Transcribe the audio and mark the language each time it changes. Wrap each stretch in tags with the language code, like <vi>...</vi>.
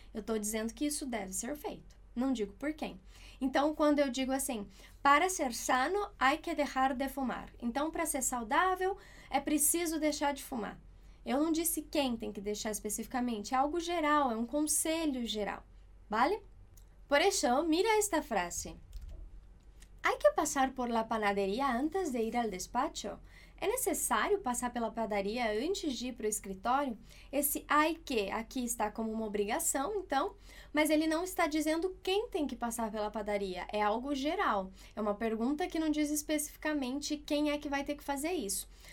<pt>Eu estou dizendo que isso deve ser feito. Não digo por quem. Então, quando eu digo assim,</pt> <es>para ser sano, hay que dejar de fumar.</es> <pt>Então, para ser saudável, é preciso deixar de fumar. Eu não disse quem tem que deixar especificamente. É algo geral, é um conselho geral.</pt> <es>Vale?</es> <pt>Por isso,</pt> <es>mira esta frase. Hay que pasar por la panadería antes de ir al despacho.</es> <pt>É necessário passar pela padaria antes de ir para o escritório? Esse hay que aqui está como uma obrigação, então, mas ele não está dizendo quem tem que passar pela padaria. É algo geral. É uma pergunta que não diz especificamente quem é que vai ter que fazer isso.</pt>